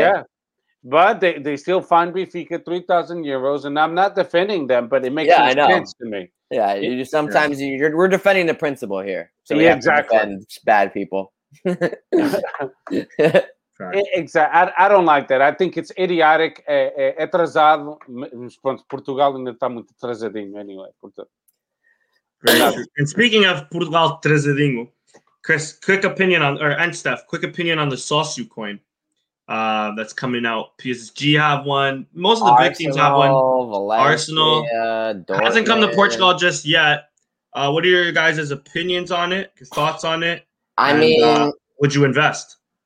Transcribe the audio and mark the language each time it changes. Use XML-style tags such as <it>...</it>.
<en>Yeah, but they still fine Benfica 3,000 euros, and I'm not defending them, but it makes sense to me. Yeah, we're defending the principle here. So we have to defend bad people. I don't like that. I think it's idiotic.</en> <pt>É atrasado. Portugal ainda está muito atrasadinho,</pt> <en>anyway. And speaking of Portugal atrasadinho, Chris, quick opinion on, or and Steph, quick opinion on the Sosu coin that's coming out. PSG have one. Most of the Arsenal, big teams have one. Valencia, Arsenal. Dortmund. Hasn't come to Portugal just yet. What are your guys' opinions on it? Thoughts on it? Would you invest?</en>